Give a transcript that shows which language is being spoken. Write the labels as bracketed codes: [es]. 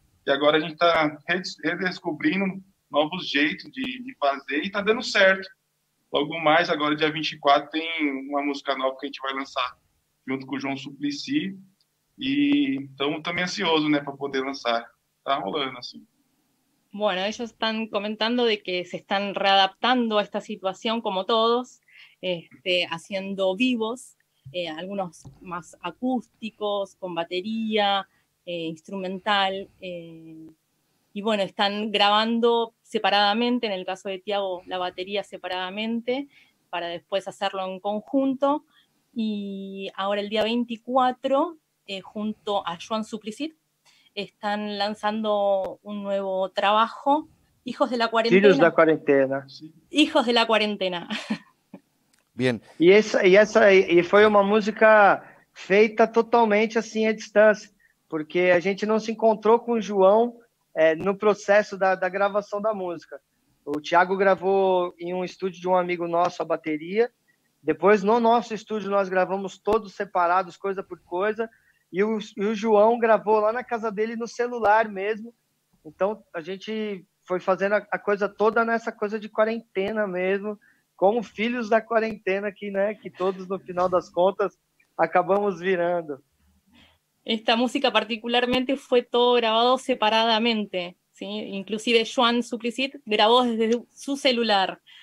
[pt] E agora a gente está redescobrindo novos jeitos de fazer e está dando certo. Logo mais, agora dia 24, tem uma música nova que a gente vai lançar junto com o João Suplicy. E estamos também ansiosos, né, para poder lançar. Está rolando, assim. [es] Bueno, ellos están comentando de que se están readaptando a esta situación, como todos, haciendo vivos, algunos más acústicos, con batería, instrumental. Y bueno, están grabando separadamente, en el caso de Tiago, la batería separadamente, para después hacerlo en conjunto. Y ahora el día 24, junto a Joan Suplicy, están lanzando un nuevo trabajo, Hijos de la Cuarentena. Hijos de la Cuarentena. Hijos de la Cuarentena. Bien. Y fue una música feita totalmente así a distancia, porque a gente no se encontró con João [pt] no proceso da gravação da música. O Tiago gravou em um estúdio de um amigo nosso a bateria, depois no nosso estúdio nós gravamos todos separados, coisa por coisa, e o João gravou lá na casa dele no celular mesmo. Então a gente foi fazendo a coisa toda nessa coisa de quarentena mesmo, como filhos da quarentena aqui, né, que todos no final das contas acabamos virando. [es] Esta música particularmente fue todo grabado separadamente, ¿sí? Inclusive Joan Suplicy grabó desde su celular.